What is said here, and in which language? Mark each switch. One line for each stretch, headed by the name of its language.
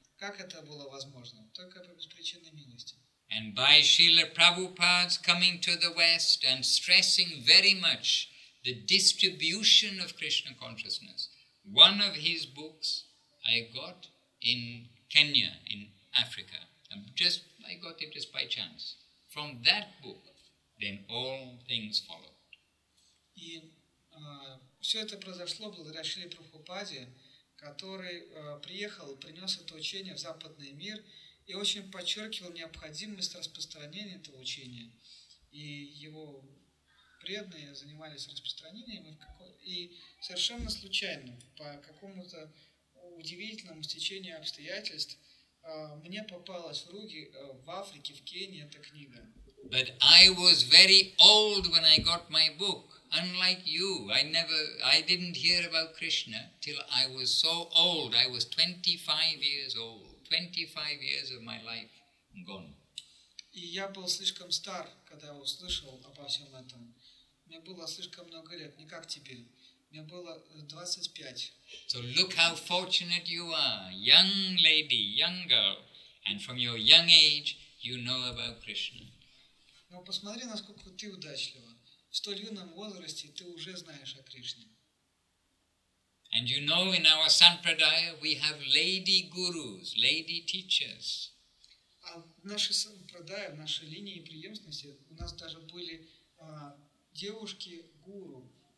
Russian: Как это было возможно? Только по беспричинной милости.
English: And by Srila Prabhupada's coming to the West and stressing very much the distribution of Krishna consciousness, one of his books I got in Kenya, in Africa. I got it just by chance. From that book, then all things followed.
Russian: И все это произошло благодаря Шриле Прабхупаде, который приехал и принес это учение в западный мир и очень подчеркивал необходимость распространения этого учения. И его преданные занимались распространением, и совершенно случайно, по какому-то удивительному стечению обстоятельств, мне попалась в руки в Африке, в Кении эта книга.
English: But I was very old when I got my book. Unlike you, I didn't hear about Krishna till I was so old. I was 25 years old. 25 years of my life gone.
Russian: И я был слишком стар, когда я услышал обо всем этом. Мне было слишком много лет, не как теперь. Мне было 25.
English: So look how fortunate you are, young lady, young girl, and from your young age you know about Krishna.
Russian: Но посмотри, насколько ты удачлива. В столь юном возрасте ты уже знаешь о Кришне.
English: And you know, in our sampradaya we have lady gurus, lady teachers.
Russian: А в нашей сампрадае, в нашей линии преемственности у нас даже были девушки-гуру.